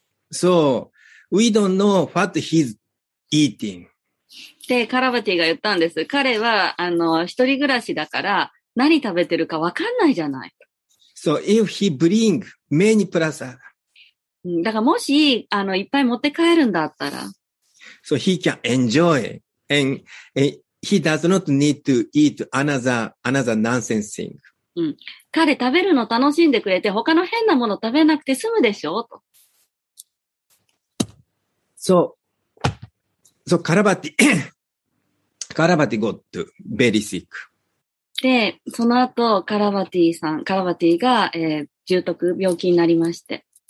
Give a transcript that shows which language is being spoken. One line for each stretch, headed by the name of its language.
English: So we don't know what he's eating.
Japanese: で、カラバティが言ったんです。彼は、一人暮らしだから何食べてるかわかんないじゃない。
English: So if he bring many plus,
Japanese: だからもし、いっぱい持って帰るんだったら。
English: So he can enjoy and he does not need to eat another nonsense thing.
Japanese: うん、彼食べるの楽しんでくれて他の変なもの食べなくて済むでしょうと。そう。そう、カラバティ。
English: カラバティ got very sick.
Japanese: で、その後、カラバティさん、カラバティが、重篤病気になりまして。